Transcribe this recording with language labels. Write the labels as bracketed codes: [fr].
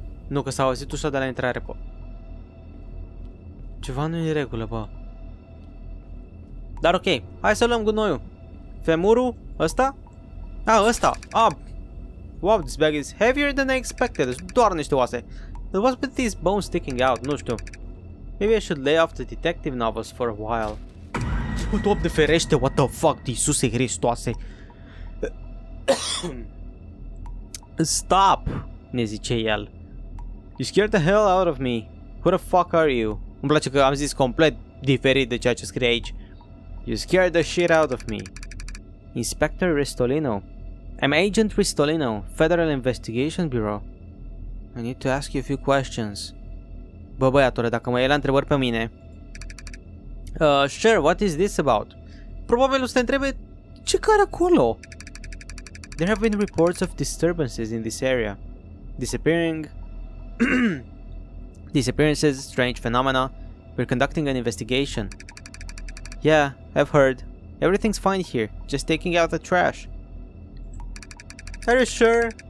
[ro] Nu, că s-a auzit ușa de la intrare, bă. Ceva nu e în regulă, bă. Dar ok, hai să luăm gunoiul. Femurul, ăsta? A, ăsta, a. [en] Wow, this bag is heavier than I expected. [ro] Doar niște oase. [en] It was with these bones sticking out, [ro] nu știu. [en] Maybe I should lay off the detective novels for a while. [ro] Top de ferește, [en] what the fuck, [ro] Iisuse Hristoase. [en] Stop, [ro] ne zice el. [en] You scared the hell out of me. Who the fuck are you? [ro] Îmi place că am zis complet diferit de ceea ce scrie aici. [en] You scared the shit out of me. Inspector Ristolino. I'm Agent Ristolino, Federal Investigation Bureau. I need to ask you a few questions. [ro] Bă, băiatule, dacă mă iei la întrebări pe mine... [en] sure, what is this about? [ro] Probabil o să te întrebe ce care acolo? [en] There have been reports of disturbances in this area. Disappearing... Disappearances, strange phenomena. We're conducting an investigation. Yeah, I've heard. Everything's fine here. Just taking out the trash. Are you sure?